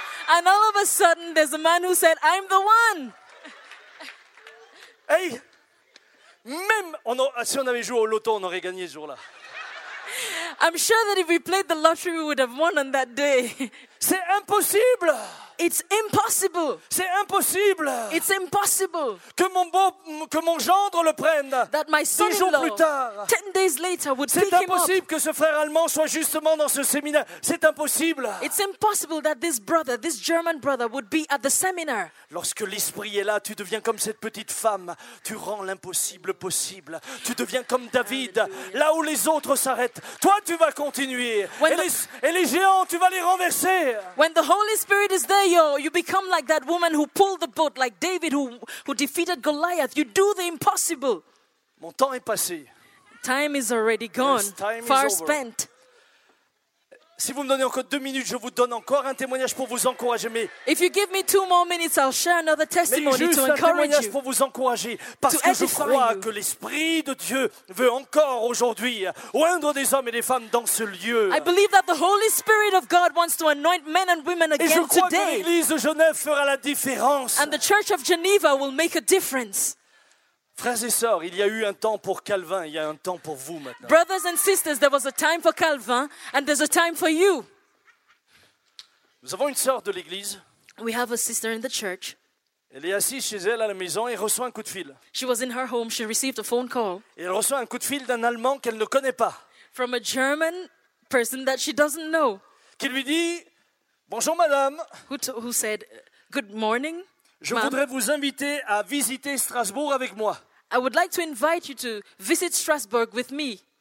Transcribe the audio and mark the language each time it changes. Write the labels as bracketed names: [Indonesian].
[English] And all of a sudden, there's a man who said, I'm the one. [French] Hey, même si on avait joué au loto, on aurait gagné ce jour-là. [English] I'm sure that if we played the lottery, we would have won on that day. [French] C'est impossible. [English] It's impossible. [French] C'est impossible. [English] It's impossible. [French] Que mon gendre le prenne. [English] That my son-in-law, 10 days later, would pick him up. [French] C'est impossible que ce frère allemand soit justement dans ce séminaire. C'est impossible. [English] It's impossible that this brother, this German brother, would be at the seminar. [French] Lorsque l'esprit est là, tu deviens comme cette petite femme. Tu rends l'impossible possible. Tu deviens comme David. Là où les autres s'arrêtent, toi tu vas continuer. Et les géants, tu vas les renverser. [English] When the Holy Spirit is there, you become like that woman who pulled the boat, like David who defeated Goliath. You do the impossible. [French] Mon temps est passé. [English] Time is already gone. Yes, time far is over. Spent. [French] Si vous me donnez encore 2 minutes, je vous donne encore un témoignage pour vous encourager. Mais [English] if you give me 2 more minutes, I'll share another testimony to encourage you. [French] Juste un témoignage pour vous encourager, parce que je crois que l'Esprit de Dieu veut encore aujourd'hui oindre des hommes et des femmes dans ce lieu. [English] I believe that the Holy Spirit of God wants to anoint men and women again today. [French] Et je crois que l'Église de Genève fera la différence. [English] And the Church of Geneva will make a difference. [French] Frères et sœurs, il y a eu un temps pour Calvin, il y a un temps pour vous maintenant. [English] Brothers and sisters, there was a time for Calvin and there's a time for you. [French] Nous avons une sœur de l'église. [English] We have a sister in the church. [French] Elle est assise chez elle à la maison et reçoit un coup de fil. [English] She was in her home, she received a phone call. [French] Et elle reçoit un coup de fil d'un Allemand qu'elle ne connaît pas. [English] From a German person that she doesn't know. [French] Qui lui dit, bonjour madame. [English] Who said, good morning. [French] Je voudrais vous inviter à visiter Strasbourg avec moi. [English] I would like to invite you to visit Strasbourg with me.